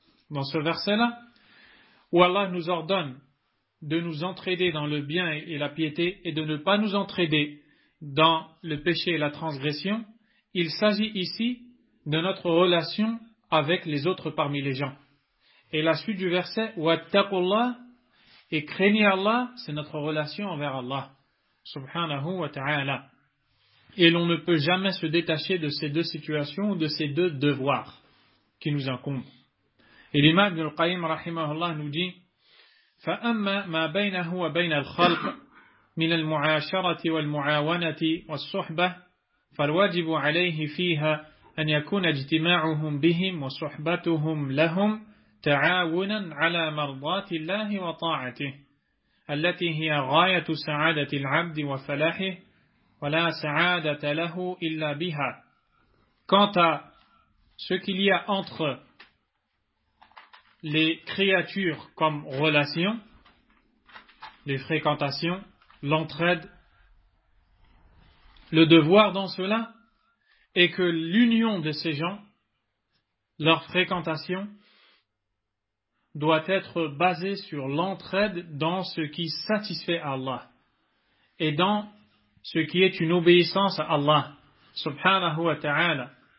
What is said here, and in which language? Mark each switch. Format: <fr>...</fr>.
<fr>Dans ce verset-là, où Allah nous ordonne de nous entraider dans le bien et la piété et de ne pas nous entraider dans le péché et la transgression, il s'agit ici de notre relation avec les autres parmi les gens. Et la suite du verset, Wattaqullah, et craignez Allah, c'est notre relation envers Allah, subhanahu wa ta'ala. Et l'on ne peut jamais se détacher de ces deux situations, de ces deux devoirs qui nous incombent. Et l'imam Ibn al-Qayyim, rahimahullah, nous dit,</fr> <ar>فَأَمَّا مَا بَيْنَهُ وَبَيْنَ الْخَلْقِ مِنَ الْمُعَاشَرَةِ وَالْمُعَاوَنَةِ وَالصُّحْبَةِ فَالْوَاجِبُ عَلَيْهِ فِيهَا أَنْ يَكُونَ اجْتِمَاعُهُمْ بِهِمْ وَصُحْبَتُهُمْ لَهُمْ تَعَاوُنًا عَلَى مَرْضَاتِ اللَّهِ وَطَاعَتِهِ الَّتِي هِيَ غَايَةُ سَعَادَةِ الْعَبْدِ وَفَلَاحِهِ وَلَا سَعَادَةَ لَهُ إِلَّا بِهَا.</ar> <fr>Quant à ce qu'il y a entre les créatures comme relations, les fréquentations, l'entraide, le devoir dans cela est que l'union de ces gens, leur fréquentation, doit être basée sur l'entraide dans ce qui satisfait Allah et dans ce qui est une obéissance à Allah, subhanahu wa ta'ala.</fr>